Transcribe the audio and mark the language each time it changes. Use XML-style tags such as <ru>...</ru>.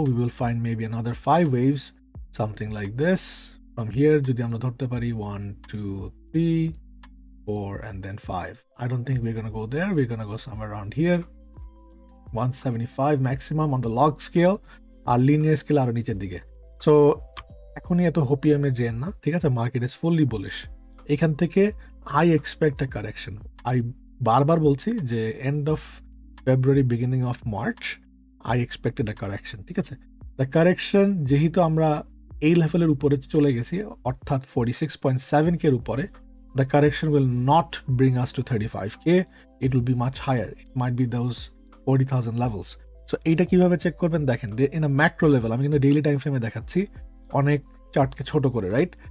<en>we will find maybe another 5 waves something like this from here,</en> <bn>যদি আমরা ধরতে পারি</bn> <en>1, 2, 3, 4 and then 5। I don't think we are gonna go there, we are gonna go somewhere around here 175 maximum on the log scale,</en> <bn>আর linear scale আরো নিচের দিকে। So এখনই এত হোপিয়ামে যেন না, ঠিক আছে?</bn> <en>Market is fully bullish.</en> <bn>এখান থেকে</bn> <en>I expect a correction.</en> <bn>I bar bar bolchi je</bn> <en>end of February, beginning of March, I expected a correction. The correction,</en> <bn>jehito amra এই লেভেলের উপরে চলে গেছি, অর্থাৎ 46.7K এর উপরে,</bn> <en>The correction will not bring us to 35K, it will be much higher, it might be those 40,000 levels.</en> <bn>So এইটা কিভাবে চেক করবেন, দেখেন</bn> <en>in a macro level,</en> <bn>আমি কিন্তু ডেইলি টাইম ফ্রেমে দেখাচ্ছি অনেক চার্টকে ছোট করে, রাইট?</bn>